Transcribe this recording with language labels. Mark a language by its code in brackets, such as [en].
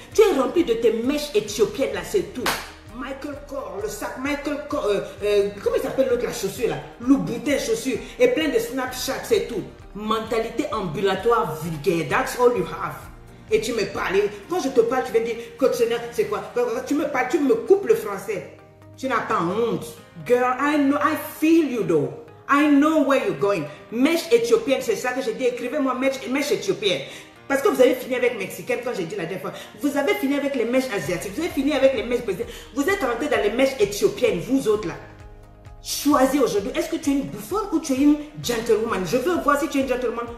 [fr] Tu es remplie de tes mèches éthiopiennes, là, c'est tout. Michael Kors, le sac Michael Kors, comment il s'appelle l'autre, la chaussure là, Louboutin chaussure, et plein de Snapchat, c'est tout. Mentalité ambulatoire vulgaire, [en] that's all you have. [fr] et tu me parles. Quand je te parle, tu viens dire, coach Seigneur, c'est quoi? Tu me parles, tu me coupes le français. Tu n'as pas honte. [en] Girl, I know, I feel you though. I know where you're going. [fr] Mèche éthiopienne, c'est ça que j'ai dit. Écrivez-moi mèche éthiopienne. Parce que vous avez fini avec mexicaine, quand j'ai dit la dernière fois. Vous avez fini avec les mèches asiatiques. Vous avez fini avec les mèches brésiliennes. Vous êtes rentré dans les mèches éthiopiennes, vous autres là. Choisis aujourd'hui. Est-ce que tu es une bouffonne ou tu es une gentlewoman? Je veux voir si tu es une gentlewoman.